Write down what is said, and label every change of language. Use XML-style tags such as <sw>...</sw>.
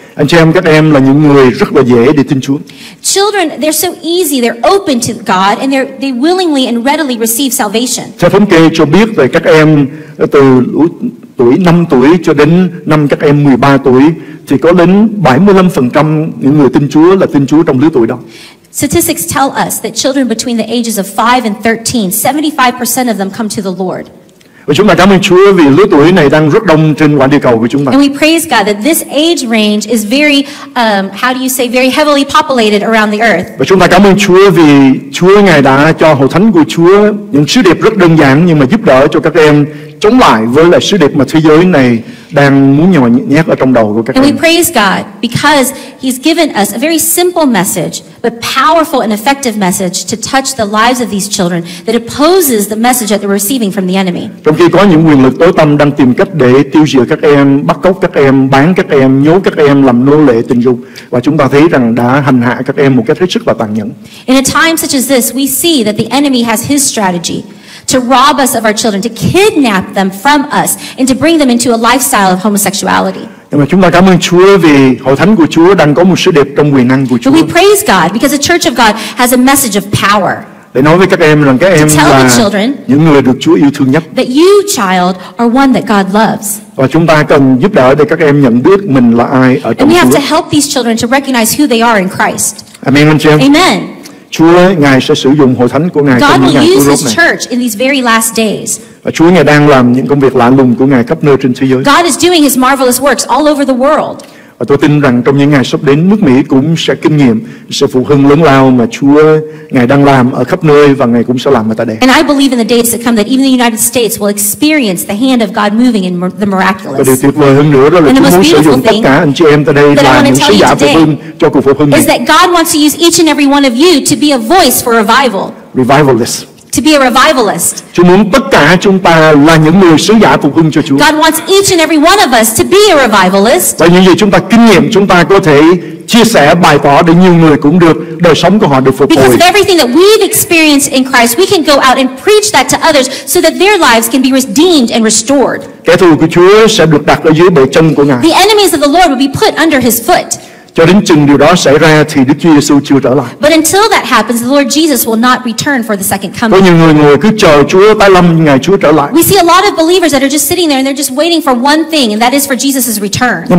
<vi>Anh chị em, các em là những người rất là dễ để tin Chúa.</vi> <en>Children, they're so easy, they're open to God and they willingly and readily receive salvation.</en> <vi>Theo thống kê cho biết về các em từ tuổi 5 tuổi cho đến năm các em 13 tuổi thì có đến 75% những người tin Chúa là tin Chúa trong lứa tuổi đó.</vi> <en>Statistics tell us that children between the ages of 5 and 13, 75% of them come to the Lord.</en> <vi>Và chúng ta cảm ơn Chúa vì lứa tuổi này đang rất đông trên quả địa cầu của chúng ta.</vi> <en>And we praise God that this age range is very very heavily populated around the earth.</en> <vi>Và chúng ta cảm ơn Chúa vì Chúa ngài đã cho hội thánh của Chúa những sứ điệp rất đơn giản nhưng mà giúp đỡ cho các em chống lại với lại sứ điệp mà thế giới này đang muốn nhồi nhét ở trong đầu của các em.</vi> <en>And we praise God because He's given us a very simple message, but powerful and effective message to touch the lives of these children that opposes the message that they're receiving from the enemy.</en> <vi>Trong khi có những quyền lực tối tăm đang tìm cách để tiêu diệt các em, bắt cóc các em, bán các em, nhốt các em làm nô lệ tình dục, và chúng ta thấy rằng đã hành hạ các em một cách hết sức là tàn nhẫn.</vi> <en>In a time such as this, we see that the enemy has his strategy to rob us of our children, to kidnap them from us, and to bring them into a lifestyle of homosexuality.</en> <vi>Nhưng mà chúng ta cảm ơn Chúa vì hội thánh của Chúa đang có một sứ điệp trong quyền năng của Chúa.</vi> <en>But we praise God because the Church of God has a message of power.</en> <vi>Để nói với các em rằng các em là những người được Chúa yêu thương nhất.</vi> <en>That you, child, are one that God loves.</en> <vi>Và chúng ta cần giúp đỡ để các em nhận biết mình là ai ở trong Chúa.</vi> <en>And we have to help these children to recognize who they are in Christ.</en> <vi>Amen, anh chị em.</vi> <en>Amen.</en> <vi>Chúa Ngài sẽ sử dụng hội thánh của Ngài trong những ngày cuối cùng này.</vi> <en>Church in these very last days.</en> <vi>Và Chúa Ngài đang làm những công việc lạ lùng của Ngài khắp nơi trên thế giới.</vi> <en>God is doing His marvelous works all over the world.</en> <vi>Và tôi tin rằng trong những ngày sắp đến, nước Mỹ cũng sẽ kinh nghiệm sự phục hưng lớn lao mà Chúa Ngài đang làm ở khắp nơi, và Ngài cũng sẽ làm ở tại đây.</vi> <en>And I believe in the days that come that even the United States will experience the hand of God moving in the miraculous.</en> <vi>Và điều tuyệt vời hơn nữa đó là Chúa muốn sử dụng tất cả anh chị em tại đây làm những sứ giả phục hưng cho cuộc phục hưng này.</vi> <en>Is that God wants to use each and every one of you to be a voice for revival. Revivalist. To be a revivalist.</en> <vi>Chúa muốn tất cả chúng ta là những người sứ giả phục hưng cho Chúa.</vi> <en>God wants each and every one of us to be a revivalist.</en> <vi>Và những gì chúng ta kinh nghiệm, chúng ta có thể chia sẻ bày tỏ để nhiều người cũng được đời sống của họ được phục</vi> <en>because</en> <vi>hồi.</vi> <en>Because of everything that we've experienced in Christ, we can go out and preach that to others so that their lives can be redeemed and restored.</en> <vi>Kẻ thù của Chúa sẽ được đặt ở dưới bệ chân của Ngài.</vi> <en>The enemies of the Lord will be put under His foot.</en> <vi>Cho đến chừng điều đó xảy ra thì Đức Chúa Giêsu chưa trở lại.</vi> <en>But until that happens, the Lord Jesus will not return for the second coming.</en> <vi>Có nhiều người ngồi cứ chờ Chúa tái lâm, ngày Chúa trở lại.</vi> <en>We see a lot of believers that are just sitting there and they're just waiting for one thing, and that is for Jesus' return.</en>